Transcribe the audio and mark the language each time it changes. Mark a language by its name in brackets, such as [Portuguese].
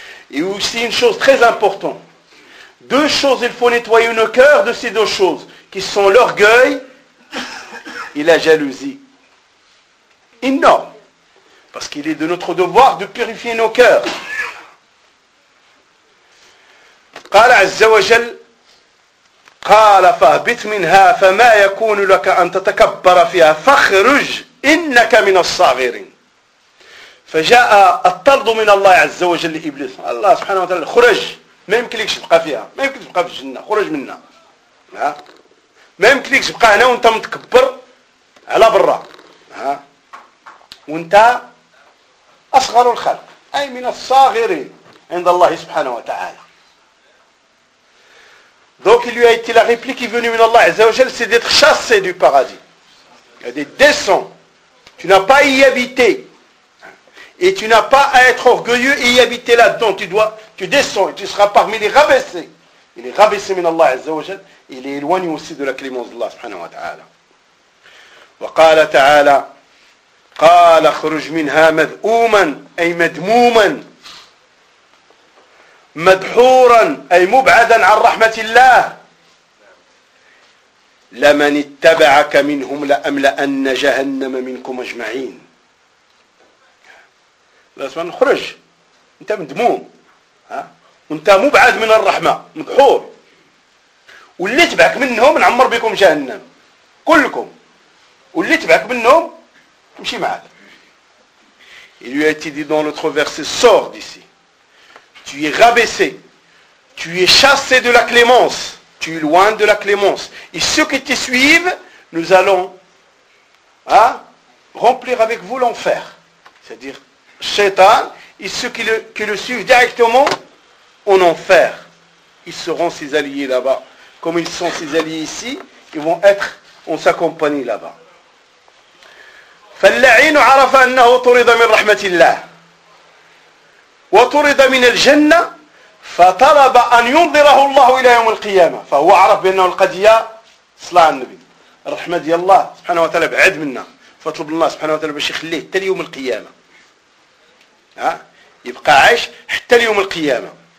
[French] Et aussi une chose très importante. Deux choses, il faut nettoyer nos cœurs de ces deux choses, qui sont l'orgueil et la jalousie. Énorme. Parce qu'il est de notre devoir de purifier nos cœurs. [Arabic] قال عز وجل قال فاهبط منها فما يكون لك أن تتكبر فيها فاخرج إنك من الصاغرين. فجاء الطرد من الله عز وجل لإبليس. الله سبحانه وتعالى خرج ما يمكن لكش تبقى فيها، ما يمكن تبقى في الجنة، خرج منها، ما يمكن لكش تبقى هنا وانت متكبر على برا، وانت أصغر الخلق أي من الصاغرين عند الله سبحانه وتعالى. [French] Donc il lui a été la réplique venue de Allah Azzawajal, c'est d'être chassé du paradis. Il y a des descents. Tu n'as pas à y habiter. Et tu n'as pas à être orgueilleux et y habiter là-dedans. Tu descends et tu seras parmi les rabaissés. Il est rabaissé de Allah Azzawajal. Il est éloigné aussi de la clémence d'Allah subhanahu wa ta'ala. [Arabic] Wa qala ta'ala, qala khruj minha madhouman, ay madmouman. مدحورا أي مبعدا عن رحمة الله لمن اتبعك منهم لأملأن جهنم منكم أجمعين. لازمان خرج أنت مدموم أنت مبعد من الرحمة مدحور واللي تبعك منهم نعمر بكم جهنم كلكم واللي تبعك منهم تمشي معك. [French] Il lui a été dit dans l'autre verset sort d'ici. Tu es rabaissé, tu es chassé de la clémence, tu es loin de la clémence. Et ceux qui te suivent, nous allons remplir avec vous l'enfer. C'est-à-dire, Shaitan, et ceux qui le suivent directement, en enfer. Ils seront ses alliés là-bas. Comme ils sont ses alliés ici, ils vont être en sa compagnie là-bas. [Arabic] فاللعين عرف أنه طرد من رحمة الله. وطرد من الجنة فطلب أن ينظره الله إلى يوم القيامة فهو عرف بأنه القدية صلاة النبي الرحمة دي الله سبحانه وتعالى بعد منا فطلب الله سبحانه وتعالى باش يخليه حتى يوم القيامة يبقى عايش حتى يوم القيامة.